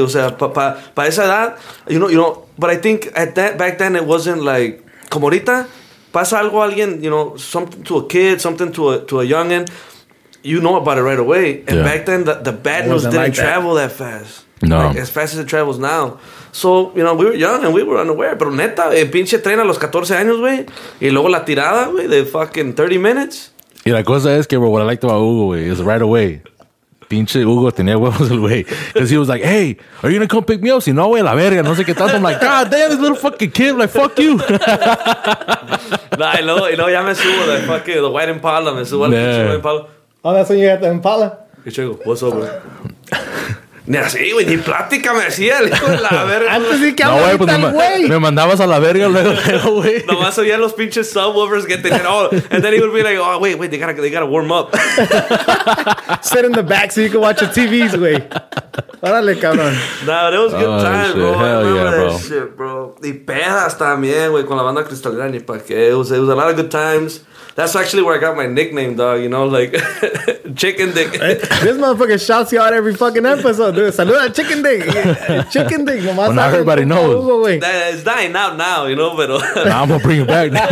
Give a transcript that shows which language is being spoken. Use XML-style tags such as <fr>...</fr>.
<es>O sea, pa esa edad,</es> <en>you know, but I think back then it wasn't like,</en> <es>como ahorita, pasa algo a alguien,</es> <en>you know, something to a kid, something to a youngin, you know about it right away. And yeah. Back then, the bad news didn't like travel that fast. No. Like, as fast as it travels now. So, you know, we were young and we were unaware.</en> <es>Pero neta, pinche tren a los 14 años, güey. Y luego la tirada, güey, de</es> <en>fucking 30 minutes.</en> <es>Y la cosa es que, bro,</es> <en>what I liked about Hugo, güey, is right away.</en> <es>Pinche Hugo tenía huevos el güey.</es> <en>Because he was like, hey, are you going to come pick me up?</en> <es>Si no, güey, la verga. No sé qué tanto.</es> <en>I'm like, god damn, this little fucking kid. I'm like, fuck you.</en> <es>Nah, y luego ya me subo de fucking</es> <en>the white Impala.</en> <es>Me subo al pinche Impala.</es> <en>Oh, that's when you had the Impala.</en> <es>Y chico,</es> <en>what's up,</en> <es>güey? Ni así, güey, ni plática me hacía, le dijo Antes de que hablaba, güey. Me mandabas a la verga luego, güey. Nomás oía los pinches subwoofers que tenían.</es> <en>Oh, and then he would be like, oh, wait, they gotta warm up. Sit in the back so you can watch the TVs, güey.</en> <es>Órale, cabrón.</es> <en>Nah, but it was good times, bro. Hell yeah, bro. Shit, bro.</en> <es>Y pedas también, güey, con la banda Cristalera, ni pa' qué.</es> <en>It was a lot of good times. That's actually where I got my nickname, dog. You know, like, Chicken Dick. This motherfucker shouts you out every fucking episode, dude.</en> <es>Saluda, Chicken Dick. Chicken Dick.</es> <en>Well, not everybody knows. It's dying out now, you know, but... Nah, I'm going to bring it back.</en>